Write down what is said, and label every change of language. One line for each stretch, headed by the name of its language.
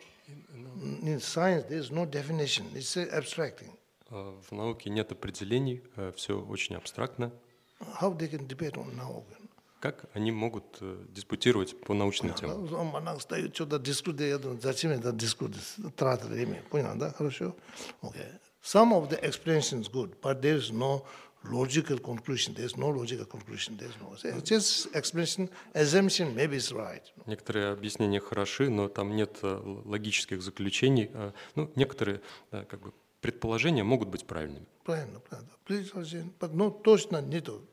English: In science, there's no definition. It's abstract.
Russian: В науке нет определений, все очень абстрактно.
English: How they can debate on науку?
Russian: Как они могут диспутировать по научной теме? Монах стоит, что-то дискутирует, я думаю, зачем это дискутирует, тратит время, понял, да, хорошо?
English: Okay. Some of the explanations good, but there is no logical conclusion. There is no logical conclusion. There is no. Just explanation, assumption, maybe it's right.
Russian: Некоторые объяснения хороши, но там нет логических заключений. Ну, некоторые, да, как бы. Предположения могут быть правильными. Правильно, правильно. Предположения, но точно нет.